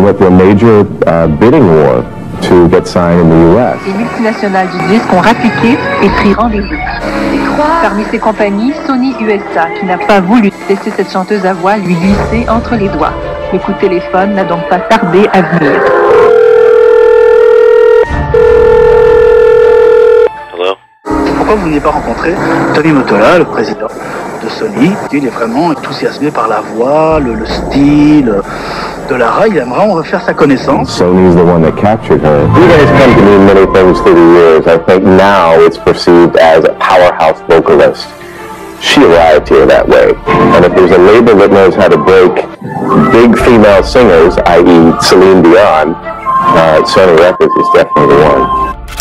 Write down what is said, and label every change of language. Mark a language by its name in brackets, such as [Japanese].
[English] Major bidding war to get signed in the U.S. [French] Les multinationales du disque ont ratifié et pris rendez-vous. Parmi ces compagnies, Sony USA, qui n'a pas voulu laisser cette chanteuse à voix lui glisser entre les doigts. Le coup de téléphone n'a donc pas tardé à venir. [English] Hello. [French] Pourquoi vous n'avez pas rencontré Tony Mottola, le président de Sony? Il est vraiment enthousiasmé par la voix, le style. [English] Sony is the one that captured her. You guys come to me many things through the years. I think now it's perceived as a powerhouse vocalist. She arrived here that way. And if there's a label that knows how to break big female singers, i.e. Celine Dion, Sony Records is definitely the one.